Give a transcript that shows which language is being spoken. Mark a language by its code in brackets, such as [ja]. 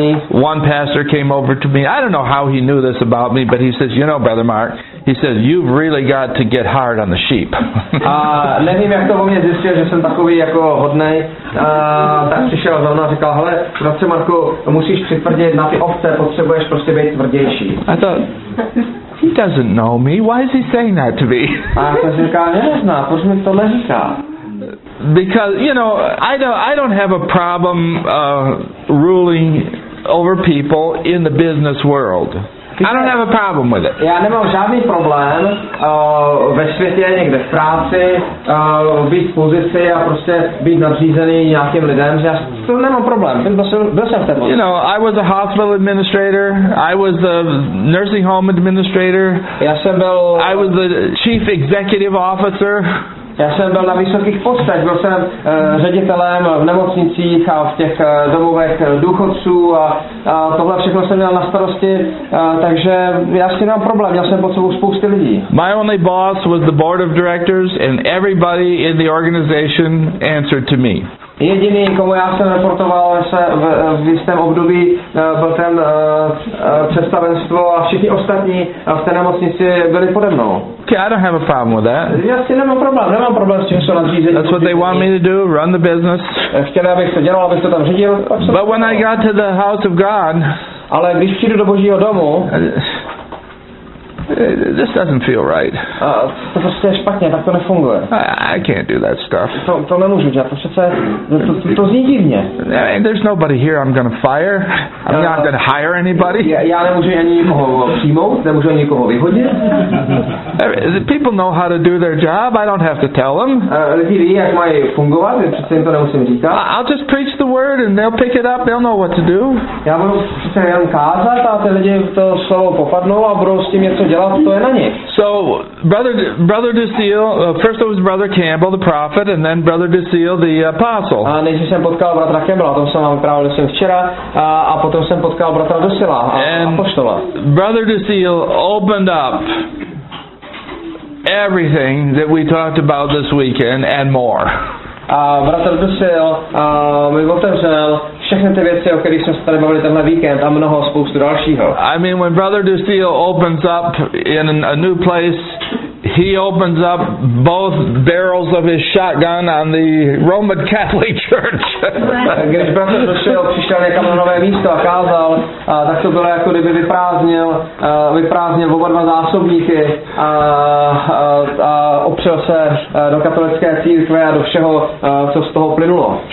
[en] One pastor came over to me. I don't know how he knew this about me, but he says, you know, Brother Mark, he says, you've really got to get hard on the sheep. [cs] Nevím, jak to o mě zjistil, že jsem takový jako hodnej. Tak přišel za mnou a říkal, hele, bratře Marku, musíš přitvrdit na ty ovce, potřebuješ prostě být tvrdější. [en] I thought, he doesn't know me. Why is he saying that to me? [cs] A to říkal, nezná, proč mi to neříká? [en] Because, you know, I don't have a problem ruling over people in the business world. I don't have a problem with it. [cs] Já nemám žádný problém ve světě, někde v práci, být v pozici a prostě být nadřízený nějakým lidem. Že já to nemám problém, byl jsem v té pozici. [en] You know, I was a hospital administrator, I was a nursing home administrator, [cs] já jsem byl, [en] I was the chief executive officer. [cs] Já jsem byl na vysokých postech, byl jsem ředitelem v nemocnicích a v těch domovech důchodců a tohle všechno jsem měl na starosti, takže já s tím nemám problém, měl jsem pod sebou spousty lidí. [en] My only boss was the board of directors and everybody in the organization answered to me. [cs] Jediný, komu já jsem reportoval v jistém období, byl ten představenstvo a všichni ostatní v té nemocnici byli pode mnou. [en] Okay, I don't have a problem with that. [cs] Já si nemám problém s tím, co nadřízení. [en] That's what they want me to do, run the business. [cs] Chtěli, abych to dělal, abych to tam řídil. [en] But when I got to the house of God, [cs] ale když přijdu do Božího domu, [en] this doesn't feel right. [cs] To prostě je špatně, tak to nefunguje. [en] I can't do that stuff. [cs] To nemůžu dělat, to přece, to zní divně. [en] There's nobody here I'm gonna fire. I'm not gonna hire anybody. [cs] Já nemůžu ani nikoho přijmout, nemůžu ani nikoho vyhodit. [en] People know how to do their job, I don't have to tell them. [cs] Lidi ví, jak mají fungovat, přece jim to nemusím říkat. [en] I'll just preach the word and they'll pick it up, they'll know what to do. [cs] Já budu přece jen kázat a ty lidi to slovo popadnou a budou s tím něco dělat, to [en] so brother DeSeele, first it was brother Campbell the prophet and then brother DeSeele the apostle. [cs] A než jsem potkal bratra Campbella, to jsem vám právě jsem včera, a potom jsem potkal bratra DeSeela, apoštola. [en] Brother DeSeele opened up everything that we talked about this weekend and more. [cs] A bratr DeSeele mi otevřel všechny ty věci, o kterých jsme se tady bavili tenhle víkend a mnoho spoustu dalšího. [en] I mean, when brother DeSeele opens up in a new place, he opens up both barrels of his shotgun on the Roman Catholic Church. [cs] Když bratr DeSeele přišel někam na nové místo a kázal, tak to bylo jako kdyby vyprázdnil oba dva zásobníky a opřel se do katolické církve a do všeho, co z toho plynulo.